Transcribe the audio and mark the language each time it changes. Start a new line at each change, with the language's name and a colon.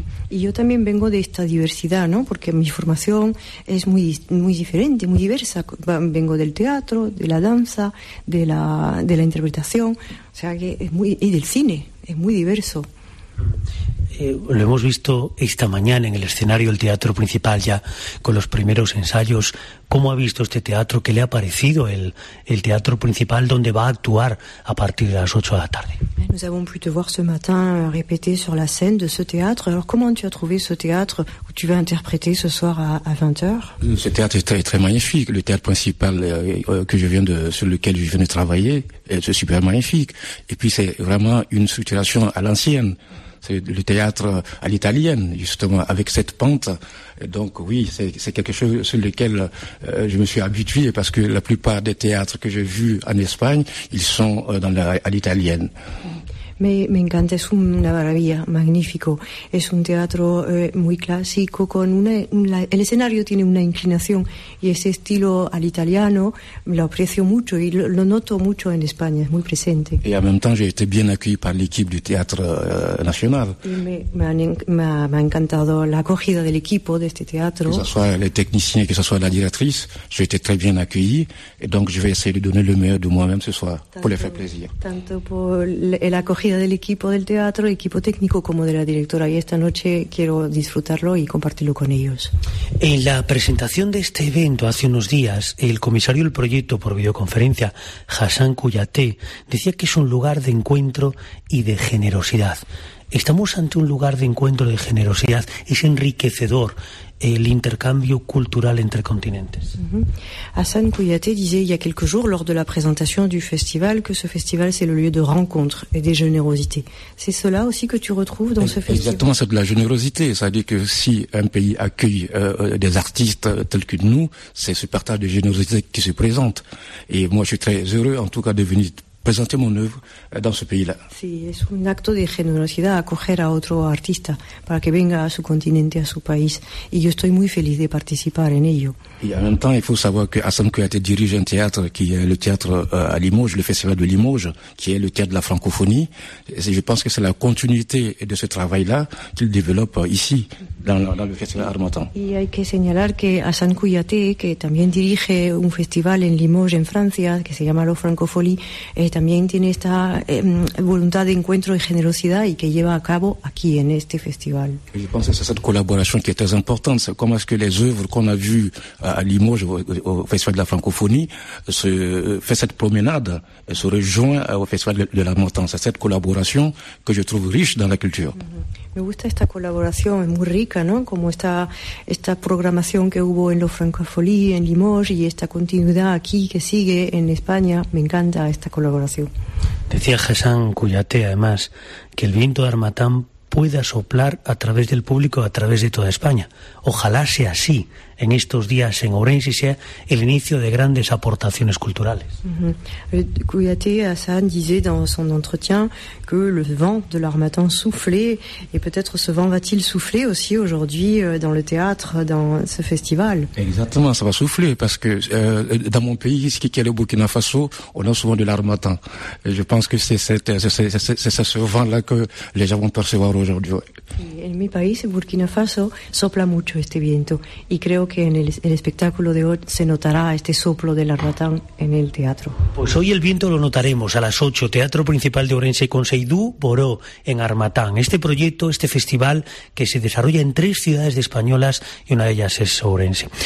Spanish: Y yo también vengo de esta diversidad, ¿no? Porque mi formación es muy, muy diferente, muy diversa. Vengo del teatro, de la danza, de la interpretación, o sea que es muy, y del cine, es muy diverso. Lo hemos visto esta mañana en el escenario del teatro principal ya con los primeros ensayos. ¿Cómo ha visto este teatro? ¿Qué le ha parecido el teatro principal donde va a actuar a partir de las 8 de la tarde?
French: Nous avons pu te voir ce matin répéter sur la scène de ce théâtre. Alors comment tu as trouvé ce théâtre où tu vas interpréter ce soir à 20h? Ce théâtre est très, très magnifique. Le théâtre principal sur lequel je viens de travailler est super magnifique. Et puis c'est vraiment une structuration à l'ancienne. C'est le théâtre à l'italienne, justement, avec cette pente. Et donc oui, c'est quelque chose sur lequel je me suis habitué, parce que la plupart des théâtres que j'ai vus en Espagne, ils sont à l'italienne.
Spanish: Me encanta, es una maravilla, magnífico. Es un teatro muy clásico, con el escenario tiene una inclinación y ese estilo al italiano lo aprecio mucho y lo noto mucho en España, es muy presente.
French: Y en même temps, j'ai été bien accueilli par l'équipe du Théâtre National.
Spanish: Me ha encantado la acogida del equipo de este teatro.
French: Que ce soit les techniciens, que ce soit la directrice, j'ai été très bien accueilli et donc je vais essayer de donner le meilleur de moi-même ce soir pour les faire plaisir.
Spanish: Tanto por el acogida del equipo del teatro, equipo técnico como de la directora, y esta noche quiero disfrutarlo y compartirlo con ellos. En la presentación de este evento hace unos días, el comisario del proyecto por videoconferencia, Hassan Kouyaté, decía que es un lugar de encuentro y de generosidad. Estamos ante un lugar de encuentro de generosidad. Es enriquecedor el intercambio cultural entre continentes. Mm-hmm.
French: Hassan Kouyaté disait il y a quelques jours, lors de la présentation du festival, que ce festival, c'est le lieu de rencontre et de générosité. C'est cela aussi que tu retrouves dans ce festival? Exactement, c'est de la générosité. Ça veut dire que si un pays accueille des artistes tels que nous, c'est ce partage de générosité qui se présente. Et moi, je suis très heureux, en tout cas, de venir présenter mon œuvre dans ce pays-là.
Spanish: Sí, es un acto de generosidad acoger a otro artista para que venga a su continente, a su país. Y yo estoy muy feliz de participar en ello.
French: Et en même temps, il faut savoir que Hassan Kouyaté dirige un théâtre qui est le théâtre à Limoges, le festival de Limoges, qui est le théâtre de la francophonie. Et je pense que c'est la continuité de ce travail-là qu'il développe ici, dans le festival Harmattan.
Spanish: Y hay que señalar que Hassan Kouyaté, que también dirige un festival en Limoges, en Francia, que se llama La Francophonie, también tiene esta voluntad de encuentro y generosidad y que lleva a cabo aquí en este festival.
French: Je pense que c'est cette collaboration qui est très importante. C'est comment est-ce que les œuvres qu'on a vues à Limoges au Festival de la Francophonie fait cette promenade et se rejoint au Festival de la Montagne. C'est cette collaboration que je trouve riche dans la culture.
Spanish: Me gusta esta colaboración, es muy rica, ¿no? Como esta programación que hubo en la Francophonie, en Limoges, y esta continuidad aquí que sigue en España, me encanta esta colaboración. Decía Hassan Kouyaté, además, que el viento de Harmattan pueda soplar a través del público, a través de toda España. Ojalá sea así en estos días en Ourense y sea el inicio de grandes aportaciones culturales.
French: Kouyaté Hassan disait dans son entretien que le vent de l'Harmattan soufflait, et peut-être ce vent va-t-il souffler aussi aujourd'hui dans le théâtre, dans ce festival. Exactement, ça va souffler, parce que dans mon pays, ce qui est le Burkina Faso, on a souvent de l'Harmattan. Je pense que c'est ce vent-là que les gens vont percevoir aujourd'hui. Ouais.
Spanish: En mi país, Burkina Faso, sopla mucho este viento y creo que en el espectáculo de hoy se notará este soplo del Harmattan en el teatro. Pues hoy el viento lo notaremos a las 8, Teatro Principal de Ourense con Seydou Boró en Harmattan. Este proyecto, este festival que se desarrolla en tres ciudades españolas y una de ellas es Ourense.